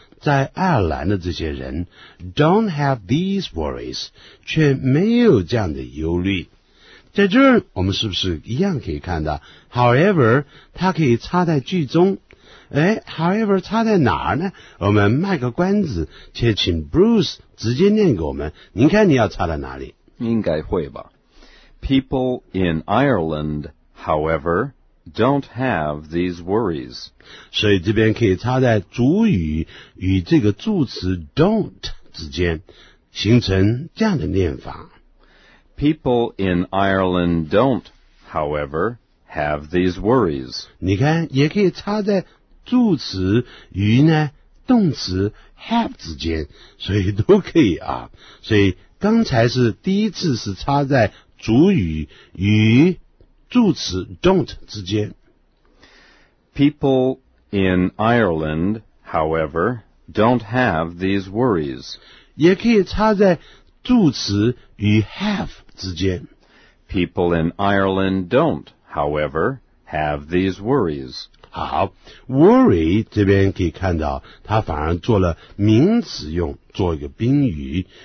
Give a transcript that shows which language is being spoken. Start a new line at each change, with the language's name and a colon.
Chinese: 在爱尔兰的这些人
English: don't have these worries，
Chinese: 却没有这样的忧虑。在这儿我们是不是一样可以看到 however 它可以插在句中，哎 however 插在哪儿呢？我们卖个关子，且请 Bruce 直接念给我们，您看你要插在哪里？应该会吧。
English: People in Ireland however don't have these worries.
Chinese: 所以这边可以插在主语与这个助词 don't 之间，形成这样的念法。
English: People in Ireland don't, however, have these worries.
Chinese: 你看，也可以插在助词与呢动词 have 之间，所以都可以啊。所以刚才是第一次是插在主语与助词 don't 之间。
English: People in Ireland, however, don't have these worries.
Chinese: 也可以插在助词与 have 之间。
English: People in Ireland don't, however, have these worries.
Chinese: 好 ，worry 这边可以看到，它反而做了名词用，做一个宾语。